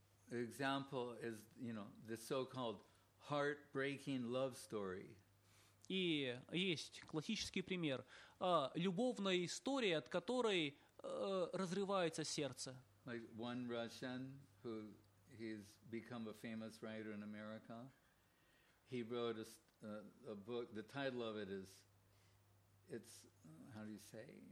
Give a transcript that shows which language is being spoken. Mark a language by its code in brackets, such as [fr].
[en] Example is, you know, the so-called heartbreaking love story. [ru] И есть классический пример. Любовная история, от которой разрывается сердце. [en] Like one Russian who he's become a famous writer in America. He wrote a book. The title of it is, it's how do you say?